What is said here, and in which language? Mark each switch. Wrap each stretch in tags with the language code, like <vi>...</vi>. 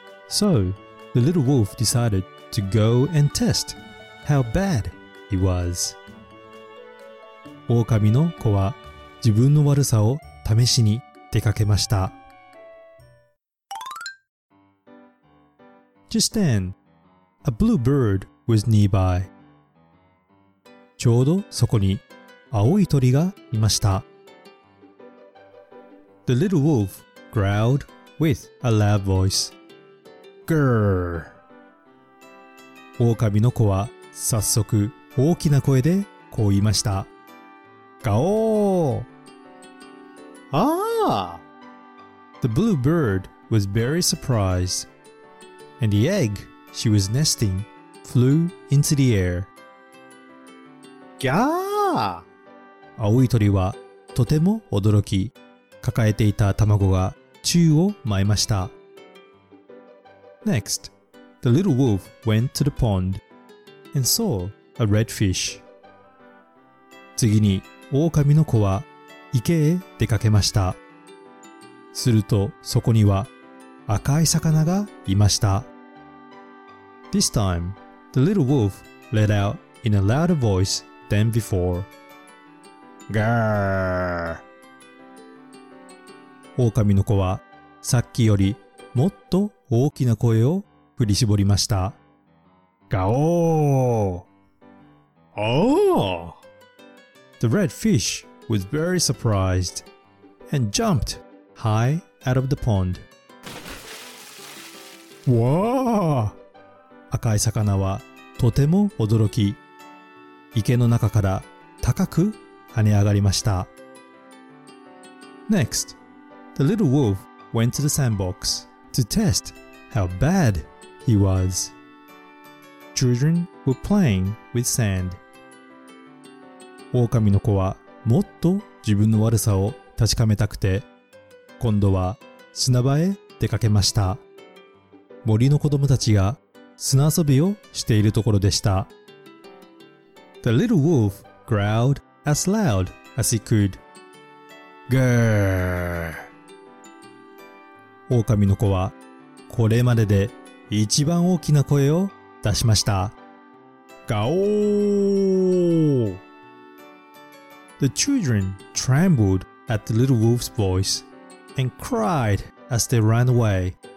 <en>So, the little wolf decided to go and test how bad he was.</en> <ja>狼の子は自分の悪さを試しに出かけました。</ja> <en>Just then, a blue bird was nearby.</en> <ja>ちょうどそこに青い鳥がいました。</ja> <en>The little wolf growled with a loud voice. Grrr!</en> <ja>狼の子は早速大きな声でこう言いました。ガオー! Ah!</ja> <en>The blue bird was very surprised, and the egg she was nesting flew into the air. ギャー!</en> <ja>青い鳥はとても驚き、抱えていた卵が宙を舞いました。</ja> <en>Next, the little wolf went to the pond and saw a red fish.</en> <ja>次に狼の子は池へ出かけました。するとそこには赤い魚がいました。</ja> <en>This time, the little wolf let out in a louder voice than before. Grrrr!</en> <ja>狼の子はさっきよりもっと大きな声を振り絞りました。ガオーオ</ja> <en>ー The red fish was very surprised and jumped high out of the pond. わ</en> <ja>ー赤い魚はとても驚き、池の中から高く跳ね上がりました。</ja> <en>NEXTThe little wolf went to the sandbox to test how bad he was. Children were playing with sand.</en> <ja>狼の子はもっと自分の悪さを確かめたくて、今度は砂場へ出かけました。森の子供たちが砂遊びをしているところでした。</ja> <en>The little wolf growled as loud as he could. Grrrr!</en> <ja>狼の子はこれまでで一番大きな声を出しました。ガオ</ja> <en>ー The children trembled at the little wolf's voice and cried as they ran away.</en>